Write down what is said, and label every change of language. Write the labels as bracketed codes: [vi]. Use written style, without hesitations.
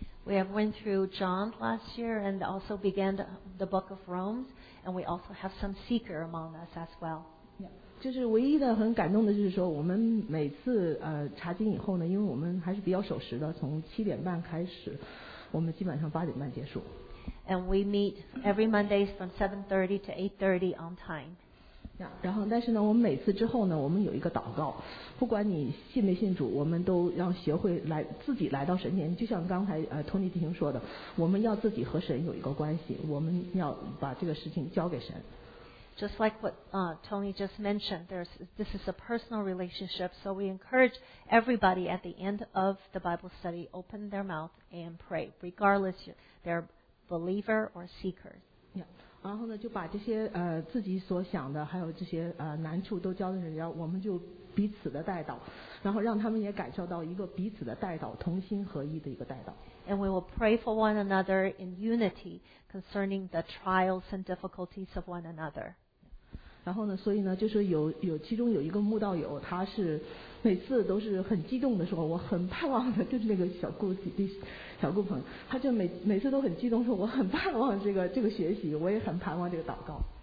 [en] We have went through John last year and also began the book of Romans, and we also have some seeker among us as well. [zh] 就是唯一的很感动的就是说我们每次查经以后呢，因为我们还是比较守时的，从七点半开始，我们基本上八点半结束。 [en] And we meet every Mondays from 7:30 to 8:30 on time. [zh] 然后但是呢我们每次之后呢，我们有一个祷告，不管你信没信主，我们都要学会来自己来到神前，就像刚才托尼弟兄说的，我们要自己和神有一个关系，我们要把这个事情交给神。 [en] Just like what Tony just mentioned, this is a personal relationship, so we encourage everybody at the end of the Bible study, open their mouth and pray, regardless if they're believer or seeker. Yeah. [zh] 然后呢，就把这些自己所想的，还有这些难处都交给神，然后我们就彼此的带导，然后让他们也感受到一个彼此的带导，同心合一的一个带导。 [en] And we will pray for one another in unity concerning the trials and difficulties of one another. [zh] 然后呢，所以呢，就是有其中有一个慕道友，他是每次都是很激动的说，我很盼望的，就是那个小顾鹏，他就每次都很激动说，我很盼望这个学习，我也很盼望这个祷告。